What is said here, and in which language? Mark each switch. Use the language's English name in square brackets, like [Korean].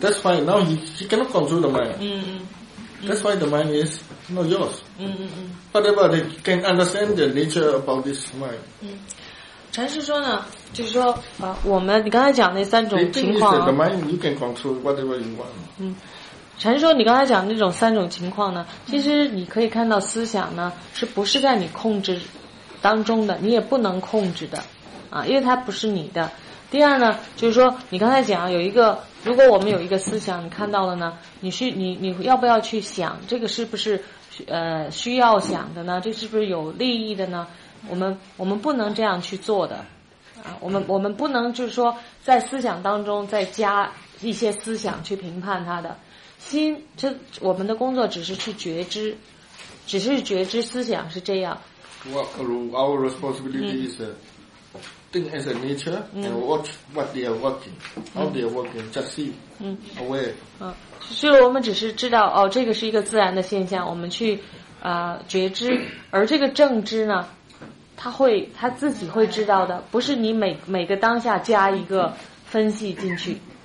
[English] That's why now he cannot control the mind. That's why the mind is... not yours. But about they can understand the nature about this mind. [Chinese] 禅师说呢，就是说啊，我们你刚才讲那三种情况、 [English] The mind you can control whatever you want. [Chinese] 禅师说你刚才讲那种三种情况呢，其实你可以看到思想呢是不是在你控制当中的，你也不能控制的啊，因为它不是你的。第二呢，就是说你刚才讲有一个。如果我们有一个思想你看到了呢，你要不要去想这个是不是需要想的呢，这是不是有利益的呢，我们不能这样去做的啊，我们不能就是说在思想当中再加一些思想去评判它的心，这我们的工作只是去觉知，只是觉知思想是这样。 [English] Our responsibility is Think as a nature and watch what they are working, how they are working. Just see, aware. [Chinese] 所以我们只是知道哦，这个是一个自然的现象，我们去觉知。而这个正知呢，他自己会知道的，不是你每个当下加一个分析进去。